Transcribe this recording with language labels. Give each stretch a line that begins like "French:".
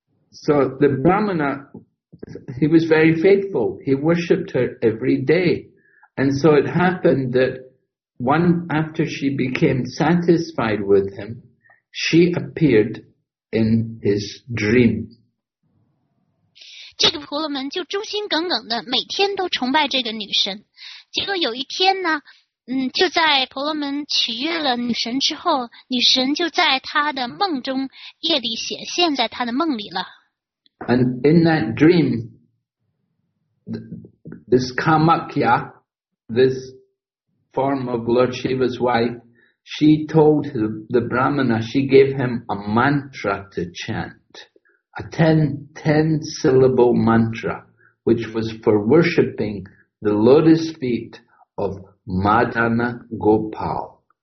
English: So the Brahmana, he was very faithful. He worshipped her every day. And so it happened that one after she became satisfied with him, she appeared in his dream.
Chinese: 这个婆罗门就忠心耿耿的每天都崇拜这个女神，结果有一天呢，就在婆罗门取悦了女神之后，女神就在他的梦中，夜里显现在他的梦里了。
English: And in that dream, this Kamakya, this form of Lord Shiva's wife, she told the Brahmana, she gave him a mantra to chant, a ten syllable mantra, which was for worshipping the lotus feet of Madana Gopal.